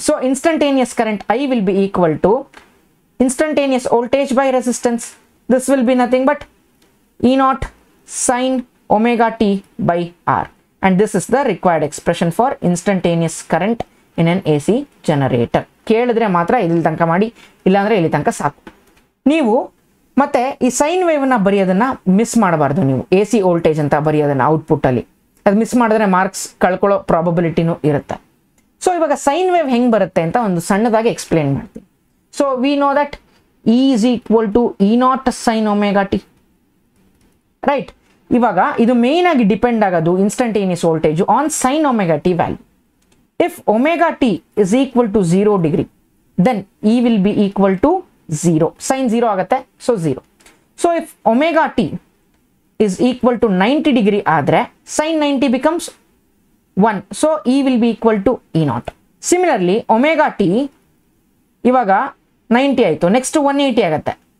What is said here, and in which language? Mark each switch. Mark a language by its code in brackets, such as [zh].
[en] So, instantaneous current I will be equal to instantaneous voltage by resistance. This will be nothing but E naught sin omega t by R. And this is the required expression for instantaneous current in an AC generator. [kn] Keladre matra idil tanka maadi, illandre illi tanka saaku. ನೀವು ಮತ್ತೆ ಈ sine wave ನ ಬರೆಯೋದನ್ನ miss ಮಾಡಬಾರ್ದು. ನೀವು A C voltage ಅಂತ ಬರೆಯೋದನ್ನ output ಅಲ್ಲಿ, ಅದು miss ಮಾಡಿದ್ರೆ ಮಾರ್ಕ್ಸ್ ಕಳ್ಕೊಳ್ಳೋ ಪ್ರಾಬಬಿಲಿಟಿನೂ ಇರುತ್ತೆ. ಸೊ ಇವಾಗ ಸೈನ್ ವೇವ್ ಹೆಂಗ್ ಬರುತ್ತೆ ಅಂತ ಒಂದು ಸಣ್ಣದಾಗಿ ಎಕ್ಸ್ಪ್ಲೇನ್ ಮಾಡ್ತೀನಿ. [en] So we know that E is equal to E naught sine omega T, right? [kn] ಇವಾಗ ಇದು ಮೇನ್ ಆಗಿ ಡಿಪೆಂಡ್ ಆಗೋದು instantaneous voltage on sine omega T value. [en] If omega T is equal to zero degree, then E will be equal to 0. [kn] Sin 0 agathe, so 0. [en] So if omega t is equal to 90 degree [kn] adre, [en] sin 90 becomes 1. So E will be equal to E naught. [kn] Similarly, omega t ivaga 90 aito, next to 180 agathe.